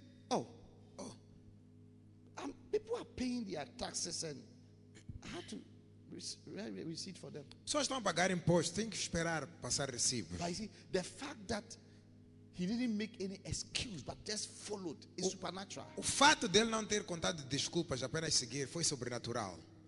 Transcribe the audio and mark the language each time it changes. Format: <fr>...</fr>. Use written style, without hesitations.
<en>oh, people are paying their taxes and I have to receipt for them.</en> <pt>Só estão a pagar imposto, tem que esperar passar recibo.</pt> <en>But you see, the fact that he didn't make any excuse but just followed is supernatural.</en> <pt>O fato dele não ter contado desculpas, apenas seguir, foi sobrenatural.</pt>